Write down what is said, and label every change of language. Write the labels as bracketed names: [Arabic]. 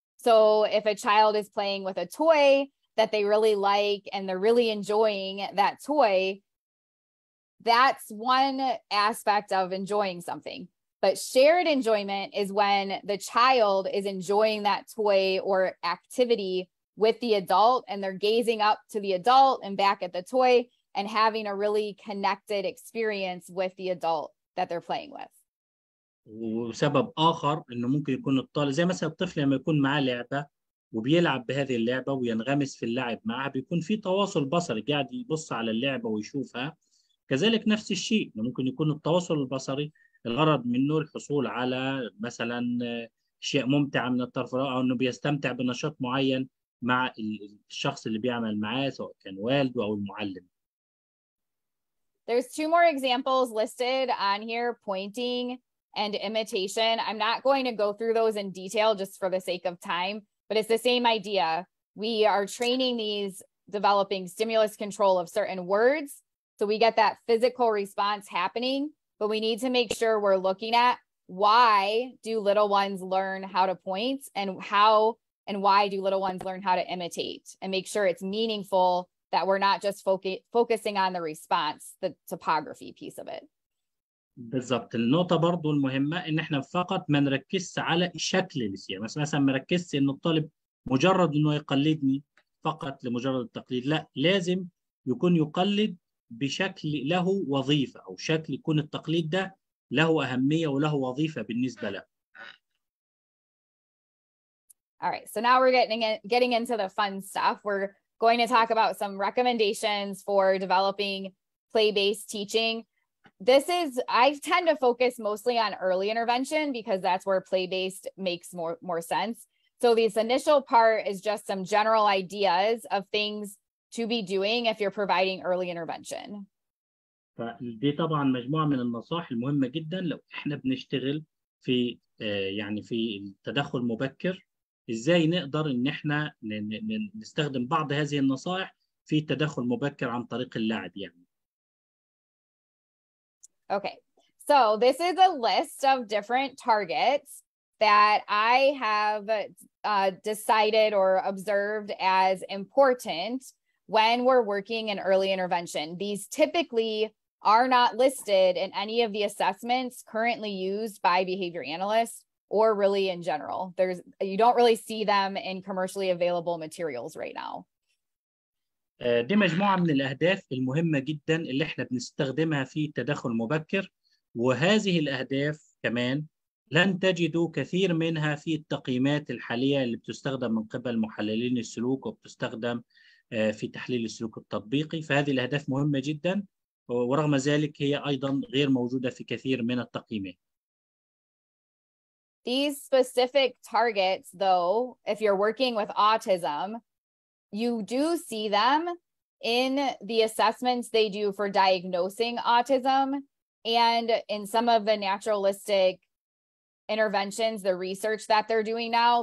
[English] So if a child is playing with a toy that they really like and they're really enjoying that toy, that's one aspect of enjoying something. But shared enjoyment is when the child is enjoying that toy or activity with the adult, and they're gazing up to the adult and back at the toy and having a really connected experience with the adult that they're playing with. [Arabic] وسبب آخر إنه ممكن يكون الطالب زي مثلا الطفل لما يكون معاه لعبة وبيلعب بهذه اللعبة وينغمس في اللعب معها، بيكون في تواصل بصري، قاعد يبص على اللعبة ويشوفها. كذلك نفس الشيء ممكن يكون التواصل البصري الغرض منه الحصول على مثلا أشياء ممتعة من الطرف الآخر، أو إنه بيستمتع بنشاط معين مع الشخص اللي بيعمل معاه سواء كان والده أو المعلم. [English] There's two more examples listed on here, pointing and imitation. I'm not going to go through those in detail just for the sake of time, but it's the same idea. We are training these developing stimulus control of certain words. So we get that physical response happening, but we need to make sure we're looking at why do little ones learn how to point, and how and why do little ones learn how to imitate, and make sure it's meaningful, that we're not just focusing on the response, the topography piece of it. [Arabic] بالضبط. النقطة برضو المهمة إن إحنا فقط ما نركزش على شكل الصيغة، مثلا ما ركزش إن الطالب مجرد إنه يقلدني فقط لمجرد التقليد، لأ، لازم يكون يقلد بشكل له وظيفة، أو شكل يكون التقليد ده له أهمية وله وظيفة بالنسبة له. [English] All right, so now we're getting into the fun stuff. We're going to talk about some recommendations for developing play-based teaching. This is, I tend to focus mostly on early intervention because that's where play-based makes more sense. So this initial part is just some general ideas of things to be doing if you're providing early intervention. [Arabic] فدي طبعا مجموعة من النصائح المهمة جدا لو احنا بنشتغل في يعني في التدخل المبكر، ازاي نقدر ان احنا نستخدم بعض هذه النصائح في التدخل المبكر عن طريق اللعب يعني. [English] Okay, so this is a list of different targets that I have decided or observed as important when we're working in early intervention. These typically are not listed in any of the assessments currently used by behavior analysts or really in general. You don't really see them in commercially available materials right now. [Arabic] دي مجموعة من الأهداف المهمة جدا اللي احنا بنستخدمها في التدخل المبكر، وهذه الأهداف كمان لن تجدوا كثير منها في التقييمات الحالية اللي بتستخدم من قبل محللين السلوك وبتستخدم في تحليل السلوك التطبيقي، فهذه الأهداف مهمة جدا، ورغم ذلك هي أيضا غير موجودة في كثير من التقييمات. [English] These specific targets though, if you're working with autism, you do see them in the assessments they do for diagnosing autism and in some of the naturalistic interventions, the research that they're doing now.